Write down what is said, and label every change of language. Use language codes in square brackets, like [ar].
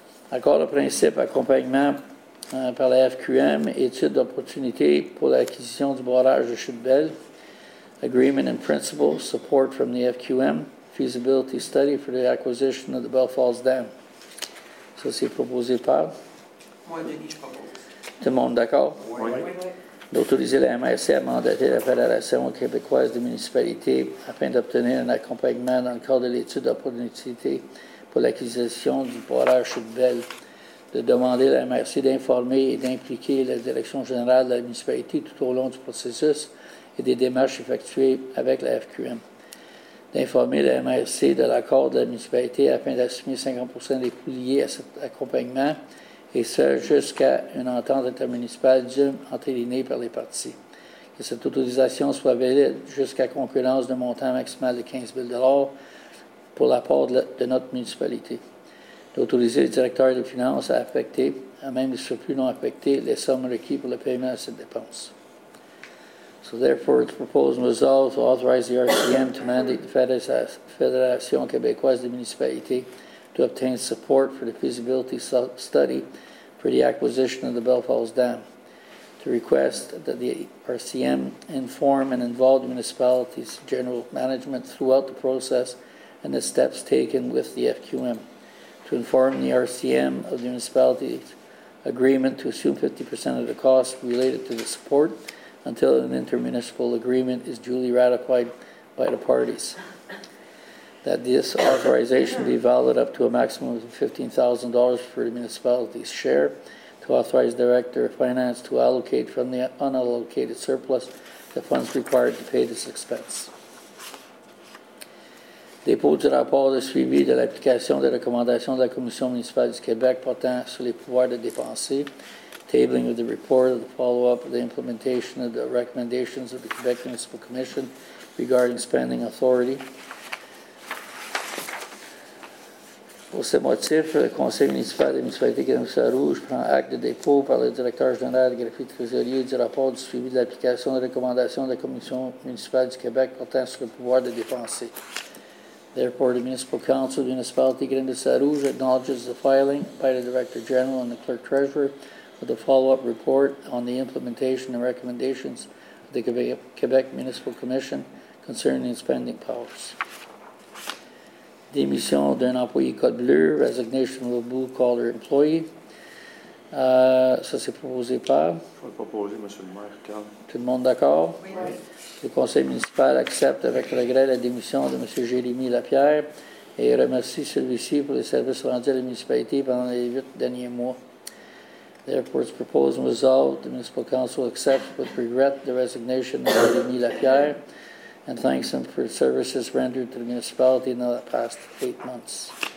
[fr] Accord de principe, accompagnement par la FQM, étude d'opportunité pour l'acquisition du barrage de Chute-Belle. [en] Agreement in principle, support from the FQM, feasibility study for the acquisition of the Bell Falls Dam. [fr] Ça, c'est proposé par? Moi, Denis, je propose. Tout le monde d'accord? Oui. D'autoriser la MRC à mandater la Fédération québécoise des municipalités afin d'obtenir un accompagnement dans le cadre de l'étude d'opportunité pour l'acquisition du barrage Chute-Belle, de demander à la MRC d'informer et d'impliquer la Direction générale de la municipalité tout au long du processus et des démarches effectuées avec la FQM, d'informer la MRC de l'accord de la municipalité afin d'assumer 50 % des coûts liés à cet accompagnement, et ce, jusqu'à une entente intermunicipale d'une entérinée par les parties. Que cette autorisation soit valide jusqu'à concurrence d'un montant maximal de 15 000 $ pour l'apport de notre municipalité. D'autoriser le directeur des finances à affecter, à même les surplus non affectés, les sommes requises pour le paiement de cette dépense. [en] So therefore, it's proposed and resolved to authorize the RCM to mandate the Fédération québécoise des municipalités to obtain support for the feasibility study for the acquisition of the Bell Falls Dam, to request that the RCM inform and involve the municipality's general management throughout the process and the steps taken with the FQM, to inform the RCM of the municipality's agreement to assume 50% of the costs related to the support until an intermunicipal agreement is duly ratified by the parties. That this authorization be valid up to a maximum of $15,000 for the municipality's share, to authorize Director of Finance to allocate from the unallocated surplus the funds required to pay this expense. [fr] Dépôt du rapport de suivi de l'application des recommandations de la Commission municipale du Québec portant sur les pouvoirs de dépenser. [en] Tabling of the report of the follow-up of the implementation of the recommendations of the Quebec Municipal Commission regarding spending authority. [fr] Pour ce motif, le conseil municipal des municipalités de Grimsa-Rouge prend acte de dépôt par le directeur général greffier trésorier du rapport du suivi de l'application des recommandations de la Commission municipale du Québec portant sur le pouvoir de dépenser. [en] Therefore, the Municipal Council of the Municipality of Grimsa-Rouge acknowledges the filing by the Director General and the Clerk Treasurer of the follow-up report on the implementation and recommendations of the Quebec Municipal Commission concerning spending powers. [fr] Démission d'un employé Code Bleu, [en] resignation of a blue collar employee. [fr] Ça, c'est proposé par? Je vais le proposer, Monsieur le maire. Carl. Tout le monde d'accord? Oui. Le conseil municipal accepte avec regret la démission de Monsieur Jérémy Lapierre et remercie celui-ci pour les services rendus à la municipalité pendant les 8 derniers mois. [en] Therefore, it's proposed and resolved the Municipal Council accepts with regret the resignation of Jérémy Lapierre and thanks him for services rendered to the municipality in the past 8 months.